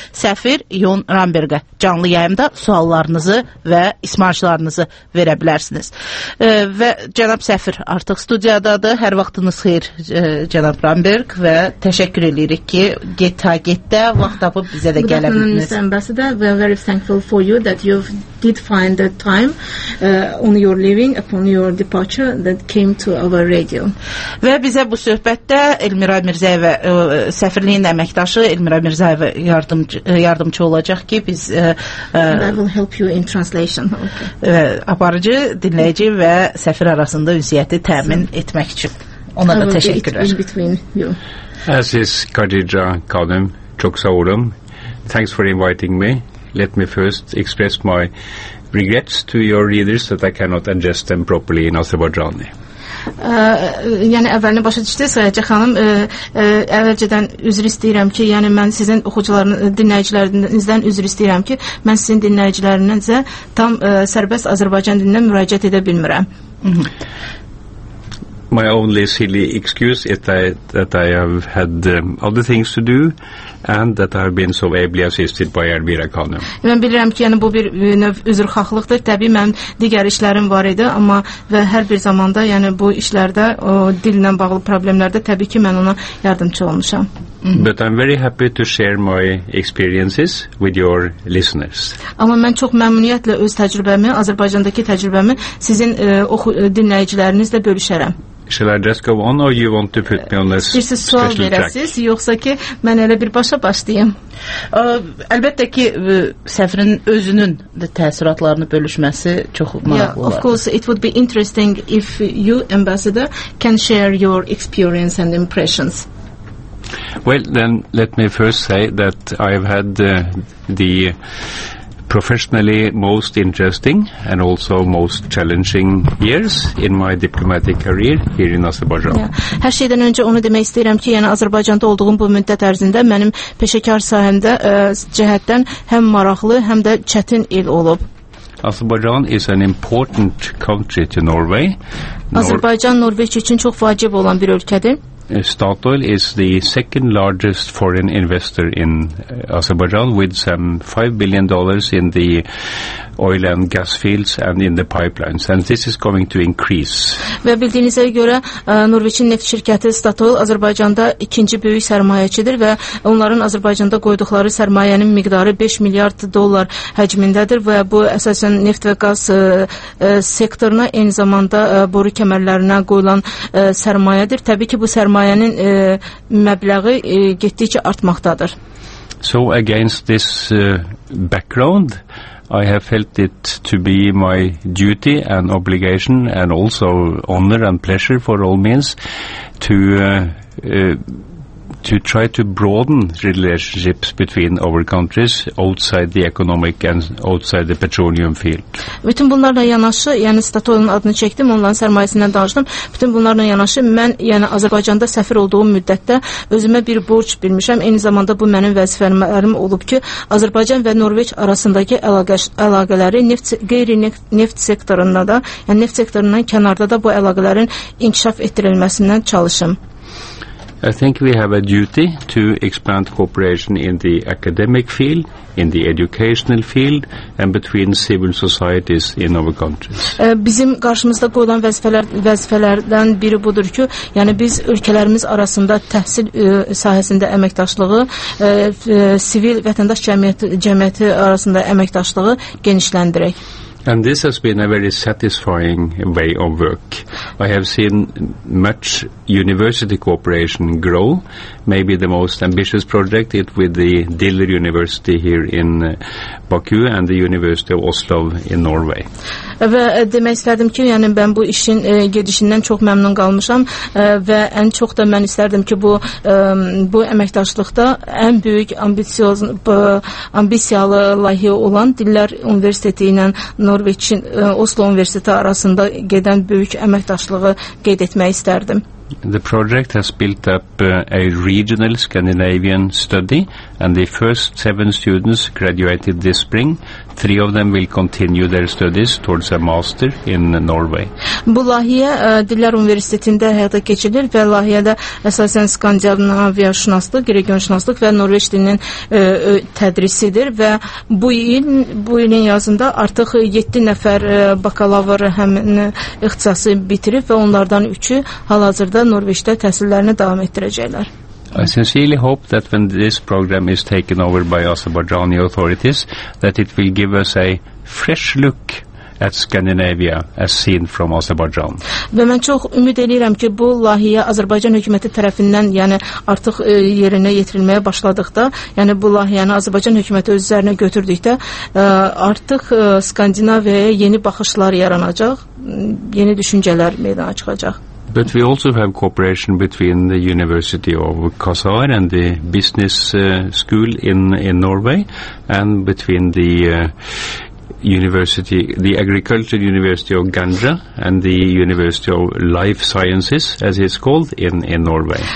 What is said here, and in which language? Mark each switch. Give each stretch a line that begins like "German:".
Azerbaijani: Səfir Jon Rambergə canlı yayımda suallarınızı və ismarçılarınızı verə bilərsiniz. Və cənab Səfir artıq studiyadadır. Hər vaxtınız xeyir cənab Ramberg və təşəkkür edirik ki, get-ta-get-də vaxt tapıb bizə də gələ bildiniz.
English: We are very thankful for you that you did find the time on your leaving, upon your departure that came to our radio.
Azerbaijani: Və bizə bu söhbətdə Elmira Mirzayeva səfirliyin əməkdaşı Elmira Mirzayev yardımcı olacaq ki, biz
English: I will help you in translation. Okay.
Azerbaijani: Aparıcı, dinləyici və səfir arasında ünsiyyəti təmin etmək üçün. Ona da təşəkkürlər. Aziz Khadija Kadim, çox sağ olun.
English: Thanks for inviting me. Let me first express my regrets to your readers that I cannot address them properly in Azerbaijani.
Azerbaijani: Yəni əvvəlinə başa düşdü Sayəcə xanım. Əvvəlcədən üzr istəyirəm ki, yəni mən sizin dinləyicilərinizdən üzr istəyirəm ki, mən sizin dinləyicilərinizə tam sərbəst Azərbaycan dilində müraciət edə bilmirəm.
English: My only silly excuse is that I have had other things to do and that I've been so ably assisted by Elvira Khanım.
Azerbaijani: Mən bilirəm ki, yəni bu bir növ üzrxahlıqdır. Təbii mənim digər işlərim var idi, amma və hər bir zamanda, yəni bu işlərdə, o dillə bağlı problemlərdə təbii ki, mən ona yardımcı olmuşam.
English: But I'm very happy to share my experiences with your listeners.
Azerbaijani: Amma mən çox məmnuniyyətlə öz təcrübəmi, Azərbaycandakı təcrübəmi sizin dinləyicilərinizlə bölüşərəm.
English: Shall I just go on or you want to put me on this special track?
Azerbaijani: Siz sual verəsiz, yoxsa ki, mən elə bir başa başlayayım. Əlbəttə ki, səfərin özünün də təsiratlarını bölüşməsi çox maraqlı olar.
English: Yeah, of course, it would be interesting if you, Ambassador, can share your experience and impressions. Well, then, let me first say that I've had the professionally most interesting and also most challenging years in my diplomatic career here in Azerbaijan. Yeah.
Azerbaijani: Hər şeydən öncə onu demək istəyirəm ki, yəni Azərbaycanda olduğum bu müddət ərzində mənim peşəkar sahəmdə cəhətdən həm maraqlı, həm də çətin il olub.
English: Azerbaijan is an important country to Norway.
Azerbaijani: Azərbaycan Norveç üçün çox vacib olan bir ölkədir.
English: Statoil is the second largest foreign investor in Azerbaijan with some $5 billion in the oil and gas fields and in the pipelines. And this is going to increase.
Azerbaijani: Və bildiyinizə görə, Norveçin neft şirkəti Statoil Azərbaycanda ikinci böyük sərmayəçidir və onların Azərbaycanda qoyduqları sərmayənin miqdarı 5 milyard dollar həcmindədir və bu əsasən neft və qaz sektoruna, eyni zamanda boru kəmərlərinə qoyulan sərmayədir. Təbii ki, bu sərmayənin məbləği getdikcə artmaqdadır.
English: So against this background, I have felt it to be my duty and obligation and also honor and pleasure for all means to try to broaden relationships between our countries outside the economic and outside the petroleum field.
Azerbaijani: Bütün bunlarla yanaşı, yəni Statoil-un adını çəkdim, onların sərmayəsindən danışdım. Bütün bunlarla yanaşı, mən yəni Azərbaycanda səfir olduğum müddətdə özümə bir borc bilmişəm. Eyni zamanda bu mənim vəzifələrim olub ki, Azərbaycan və Norveç arasındakı əlaqələri neft qeyri-neft sektorunda da, yəni neft sektorundan kənarda da bu əlaqələrin inkişaf etdirilməsindən çalışım.
English: I think we have a duty to expand cooperation in the academic field, in the educational field and between civil societies in our countries.
Azerbaijani: Bizim qarşımızda qoyulan vəzifələrdən biri budur ki, yəni biz ölkələrimiz arasında təhsil sahəsində əməkdaşlığı, sivil vətəndaş cəmiyyəti arasında əməkdaşlığı genişləndirək.
English: And this has been a very satisfying way of work. I have seen much university cooperation grow. Maybe the most ambitious project is with the Diller University here in Baku and the University of Oslo in Norway.
Azerbaijani: Və demək istərdim ki, yəni mən bu işin gedişindən çox məmnun qalmışam və ən çox da mən istərdim ki, bu əməkdaşlıqda ən böyük ambisiyalı layihə olan Dillər Universiteti ilə Norveçin Oslo Universiteti arasında gedən böyük əməkdaşlığı qeyd etmək istərdim.
English: The project has built up a regional Scandinavian study and the first 7 students graduated this spring. 3 of them will continue their studies towards a master in Norway.
Azerbaijani: Bu layihə Dillər Universitetində həyata keçirilir və layihədə əsasən Skandinaviya şünaslıq, regionşünaslıq və Norveç dilinin tədrisidir və bu ilin yazında artıq 7 nəfər bakalavr həmin ixtisası bitirib və onlardan 3-ü hal-hazırda Norveçdə təhsillərini davam etdirəcəklər.
English: I sincerely hope that when this program is taken over by Azerbaijani authorities, that it will give us a fresh look at Scandinavia as seen from Azerbaijan.
Azerbaijani: Və mən çox ümid edirəm ki, bu layihə Azərbaycan hökuməti tərəfindən, yəni artıq yerinə yetirilməyə başladıqda, yəni bu layihəni Azərbaycan hökuməti öz üzərinə götürdükdə, artıq Skandinaviyaya yeni baxışlar yaranacaq, yeni düşüncələr meydana çıxacaq.
English: But we also have cooperation between the University of Qasar and the business school in Norway and between the University, the Agricultural University of Ganja and the University of Life Sciences, as it's called, in Norway.